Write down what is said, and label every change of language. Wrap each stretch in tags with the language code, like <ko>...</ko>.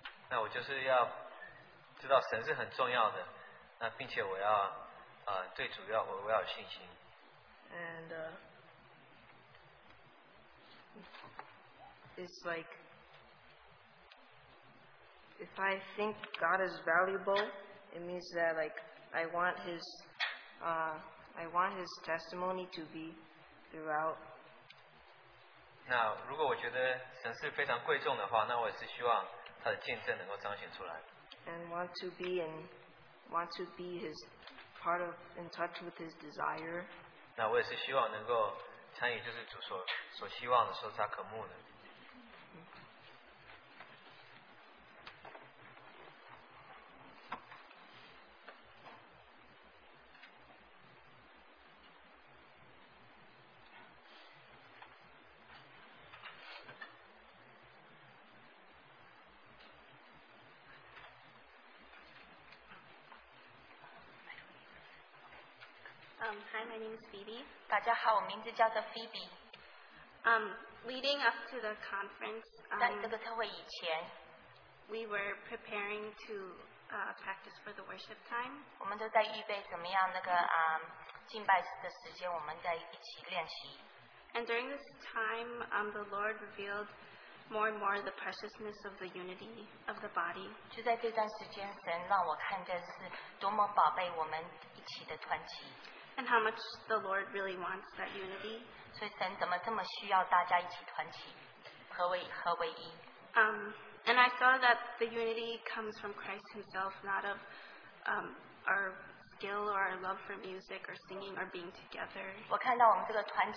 <zh>那我就是要知道神是很重要的, 那并且我要, 对主要, 我要有信心。</zh> <en>And it's like, if I think God is valuable, it means that like I want his testimony to be throughout.</en> <zh>那如果我觉得神是非常贵重的话, 那我也是希望</zh> <en>And want to be his part of in touch with his desire.</en> <zh>那我也是希望能够参与，就是主所希望的，受他渴慕的。</zh> <en>My name is Phoebe.</en> <zh>大家好, 我名字叫做Phoebe.</zh> <en>Leading up to the conference,</en> <zh>在这个特会以前,</zh> <en>we were preparing to practice for the worship time.</en> <zh>我们都在预备怎么样那个, 敬拜的时间我们在一起练习。</zh> <en>And during this time, the Lord revealed more and more the preciousness of the unity of the body.</en> <zh>就在这段时间, 神让我看见是多么宝贝我们一起的团体。</zh> <en>And how much the Lord really wants that unity.</en> <zh>所以神怎么这么需要大家一起团体，合为一。</zh> <en>And I saw that the unity comes from Christ Himself, not of our skill or our love for music or singing or being together.</en>